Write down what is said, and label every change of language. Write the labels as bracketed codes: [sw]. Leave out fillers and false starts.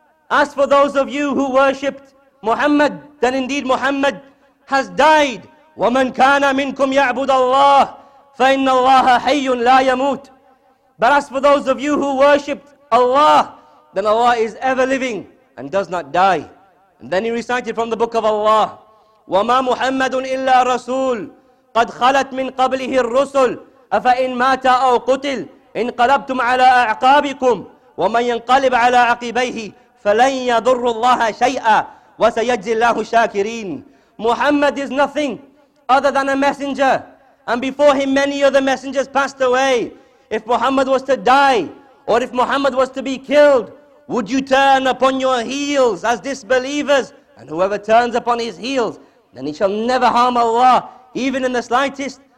[en] As for those of you who worshipped Muhammad, then indeed Muhammad has died. [ar] وَمَنْ كَانَ مِنْكُمْ يَعْبُدَ اللَّهِ فَإِنَّ اللَّهَ حَيٌّ لَا يَمُوتُ. [en] But as for those of you who worshipped Allah, then Allah is ever living and does not die. And then he recited from the book of Allah, [ar] وَمَا مُحَمَّدٌ إِلَّا رَسُولٌ قَدْ خَلَتْ مِنْ قَبْلِهِ الرُّسُلُ أَفَإِنْ مَاتَ أَوْ قُتِلْ إِنْ قَلَبْتُمْ عَلَىٰ أَعْقَابِكُمْ وَمَنْ يَنْقَلِبْ عَلَىٰ عَقِبَيْهِ فَلَنْ يَضُرُّ اللَّهَ شَيْئًا وَسَيَجْزِي اللَّهُ الشَّاكِرِينَ. [en] Muhammad is nothing other than a messenger, and before him many other messengers passed away. If Muhammad was to die, or if Muhammad was to be killed, would you turn upon your heels as disbelievers? And whoever turns upon his heels, then he shall never harm Allah, even in the slightest.